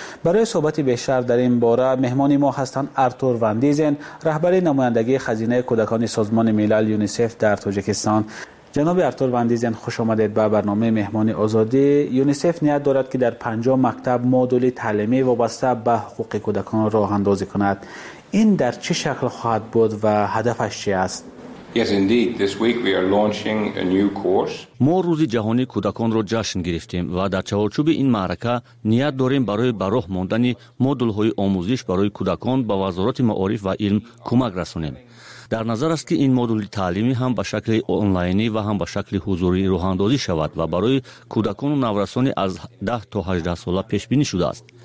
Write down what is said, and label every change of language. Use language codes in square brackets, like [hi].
[fa] برای صحبت بیشتر در این باره مهمان ما هستند آرتور وندیزن، رهبر نمایندگی خزینه کودکان سازمان ملل یونیسف در تاجیکستان. جناب آرتور وندیزن، خوش آمدید به برنامه مهمان آزادی. یونیسف نیت دارد که در 50 مکتب مدل تعلیمی وابسته به حقوق کودکان راه اندازی کند. این در چه شکل خواهد بود و هدفش چی است؟ [en] Yes, indeed. This week we are launching a new course. [fa] ما روز جهانی کودکان را جشن گرفتیم و در چهارچوب این معرکه نیت داریم برای براه ماندن مدل های آموزش برای کودکان با وزارت معارف و علم کمک رسانیم. در نظر است که این مدل تعلیمی هم به شکل آنلاینی و هم به شکل حضوری راه اندازی شود و برای کودکان و نورسان از 10 تا 18 ساله پیش بینی شده است.